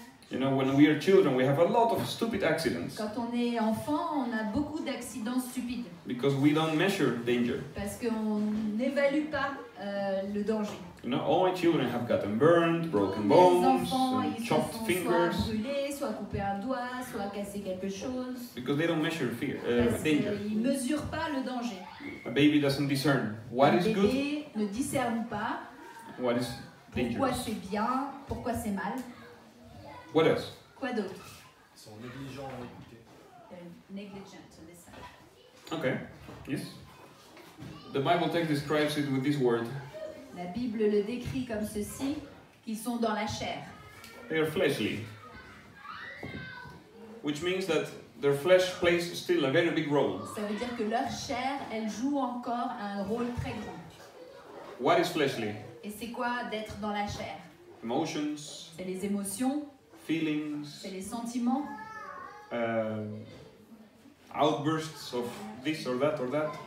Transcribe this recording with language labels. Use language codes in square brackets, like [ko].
[en] You know, when we are children, we have a lot of stupid accidents. [fr] Quand on est enfant, on a beaucoup d'accidents stupides. [en] Because we don't measure danger. [fr] Parce qu'on n'évalue pas le danger. [en] You know, all my children have gotten burned, broken bones, [fr] enfants, [en] chopped fingers. [fr] Soit brûlés, soit coupé un doigt, soit cassé quelque chose. [en] Because they don't measure fear, danger. [fr] Parce qu'ils mesurent pas le danger. [en] A baby doesn't discern what is good. [fr] Un bébé ne discerne pas. [en] What is dangerous? [fr] Pourquoi c'est bien? Pourquoi c'est mal? [en] What else? [fr] Quoi d'autre? Ils sont négligents à écouter. [en] Negligent to listen. Okay. Yes. The Bible text describes it with this word. [fr] La Bible le décrit comme ceci, qu'ils sont dans la chair. [en] They are fleshly. Which means that their flesh plays still a very big role. [fr] Ça veut dire que leur chair, elle joue encore un rôle très grand. [en] What is fleshly? [fr] Et c'est quoi d'être dans la chair? [en] Emotions. [fr] C'est les émotions. [en] Feelings. [fr] C'est les sentiments. [en] Outbursts of this or that or that.